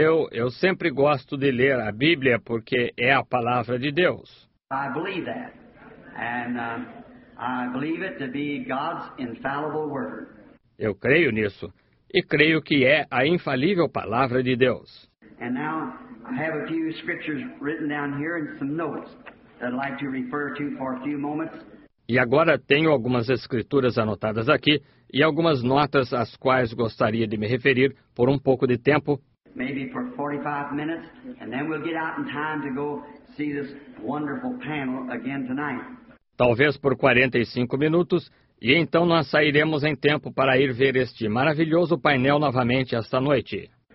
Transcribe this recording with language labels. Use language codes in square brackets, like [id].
[pt] Eu sempre gosto de ler a Bíblia porque é a palavra de Deus. [en] I believe that. And, I believe it to be God's infallible word. [pt] Eu creio nisso e creio que é a infalível palavra de Deus. [en] And now I have a few scriptures written down here and some notes that I'd like to refer to for a few moments. [pt] E agora tenho algumas escrituras anotadas aqui e algumas notas às quais gostaria de me referir por um pouco de tempo. [en] Maybe for 45 minutes and then we'll get out in time to go see this wonderful panel again tonight. [pt] Talvez por 45 minutos, e então nós sairemos em tempo para ir ver este maravilhoso painel novamente esta noite.